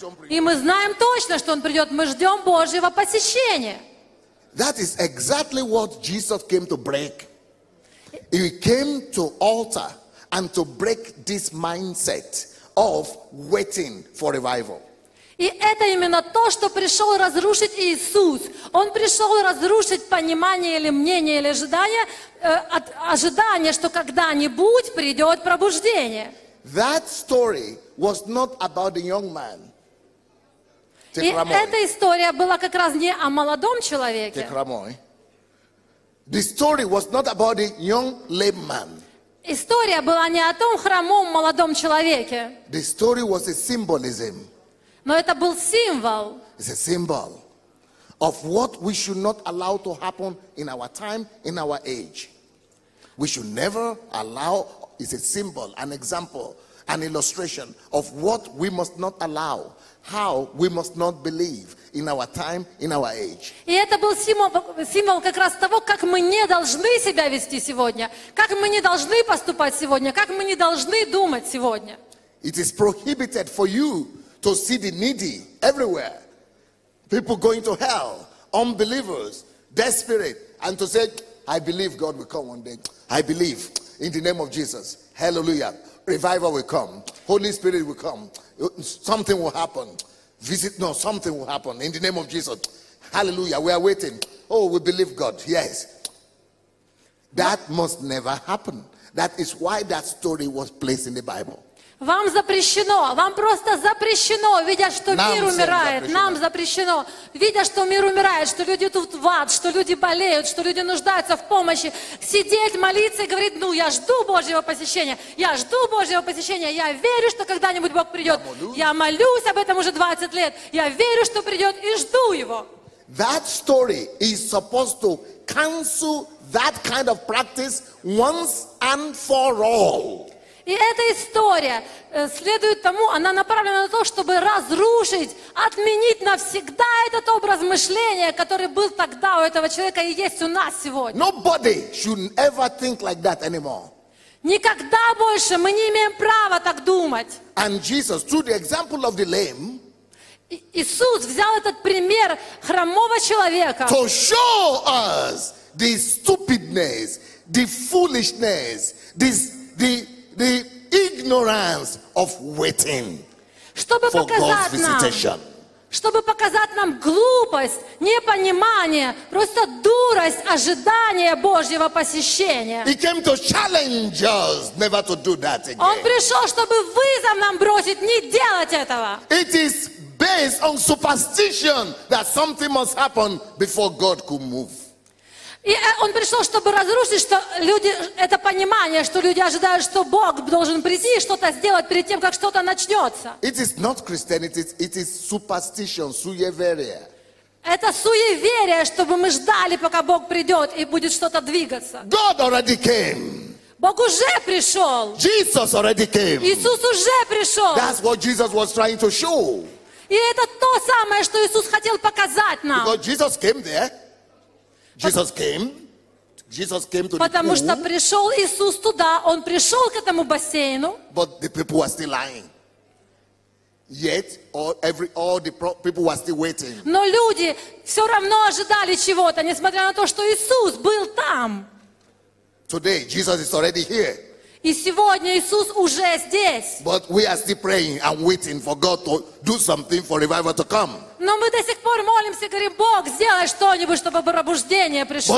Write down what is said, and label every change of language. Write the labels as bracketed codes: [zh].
[ru] И мы знаем точно, что он придет, мы ждем Божьего посещения. [en] That is exactly what Jesus came to break. He came to alter and to break this mindset of waiting for revival. [ru] И это именно то, что пришел разрушить Иисус. Он пришел разрушить понимание или мнение или ожидание, ожидание, что когда-нибудь придет пробуждение. [en] That story was not about the young man. [ru] И эта история была как раз не о молодом человеке. [en] The story was not about the young lame man. [ru] История была не о том хромом молодом человеке. [en] The story was a symbolism. [ru] Но это был символ. [en] It's a symbol of what we should not allow to happen in our time, in our age. We should never allow. It's a symbol, an example, an illustration of what we must not allow. How we must not believe in our time, in our age. [ru] И это был символ как раз того, как мы не должны себя вести сегодня, как мы не должны поступать сегодня, как мы не должны думать сегодня. [en] It is prohibited for you to see the needy everywhere. People going to hell, unbelievers, desperate, and to say, I believe God will come one day. I believe in the name of Jesus. Hallelujah. Revival will come. Holy Spirit will come. Something will happen. Something will happen in the name of Jesus. Hallelujah. We are waiting. Oh, we believe God. Yes. That must never happen. That is why that story was placed in the Bible. [ru] Вам запрещено, вам просто запрещено, видя, что мир умирает. Нам запрещено, видя, что мир умирает, что люди идут в ад, что люди болеют, что люди нуждаются в помощи. Сидеть, молиться и говорить, ну, я жду Божьего посещения, я жду Божьего посещения, я верю, что когда-нибудь Бог придет. Я молюсь об этом уже 20 лет, я верю, что придет и жду Его. [en] That story is supposed to cancel that kind of practice once and for all. [ru] И эта история следует тому, она направлена на то, чтобы разрушить, отменить навсегда этот образ мышления, который был тогда у этого человека и есть у нас сегодня. [en] Nobody should ever think like that anymore. [ru] Никогда больше мы не имеем права так думать. [en] And Jesus, through the example of the lame, [ru] Иисус взял этот пример хромого человека. [en] To show us the stupidness, the foolishness, the ignorance of waiting. [ru] Чтобы [en] for [ru] показать [en] God's visitation. [ru] Нам, чтобы показать нам глупость, непонимание, просто дурость ожидания Божьего посещения. [en] He came to challenge us never to do that again. [ru] Он пришел, чтобы вызов нам бросить, не делать этого. [en] It is based on superstition that something must happen before God could move. [ru] И он пришел, чтобы разрушить, что люди, это понимание, что люди ожидают, что Бог должен прийти и что-то сделать перед тем, как что-то начнется. [en] It is not Christianity, it is superstition, суеверие. [ru] Это суеверие, чтобы мы ждали, пока Бог придет и будет что-то двигаться. [en] God already came. [ru] Бог уже пришел. [en] Jesus already came. [ru] Иисус уже пришел. [en] That's what Jesus was trying to show. [ru] И это то самое, что Иисус хотел показать нам. [en] Because Jesus came there. Jesus came. Jesus came to the [ru] Потому что пришел Иисус туда, он пришел к этому бассейну. [en] But the people were still lying. Yet all the people were still waiting. [ru] Но люди все равно ожидали чего-то, несмотря на то, что Иисус был там. [en] Today Jesus is already here. [ru] И сегодня Иисус уже здесь. [en] But we are still praying and waiting for God to do something for revival to come. [ru] Но мы до сих пор молимся, говорим, Бог, сделай что-нибудь, чтобы пробуждение пришло.